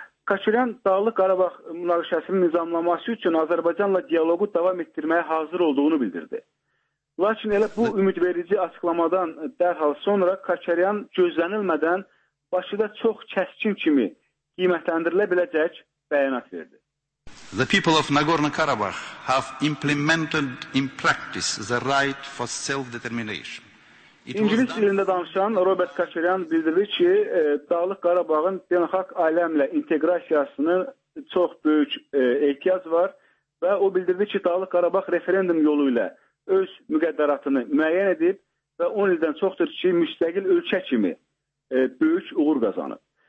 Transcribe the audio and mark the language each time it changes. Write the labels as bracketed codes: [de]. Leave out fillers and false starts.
[az] Kaçıran Dağlıq Qarabağ münaqişəsinin nizamlanması üçün Azərbaycanla diyaloğu davam etdirməyə hazır olduğunu bildirdi. Lakin elə bu ümidverici açıqlamadan dərhal sonra Kaçaryan gözlənilmədən Bakıda çox kəskin kimi qiymətləndirilə biləcək bəyanat verdi. [en] The people of Nagorno-Karabakh have implemented in practice the right for self-determination. [az] İngilis dilində danışan Robert Kaçaryan bildirdi ki, Dağlıq Qarabağın beynəlxalq aləmlə inteqrasiyasını çox böyük ehtiyac var və o bildirdi ki, Dağlıq Qarabağ referendum yolu ilə öz müqəddəratını müəyyən edib və 10 ildən çoxdur ki, müstəqil ölkə kimi böyük uğur qazanıb.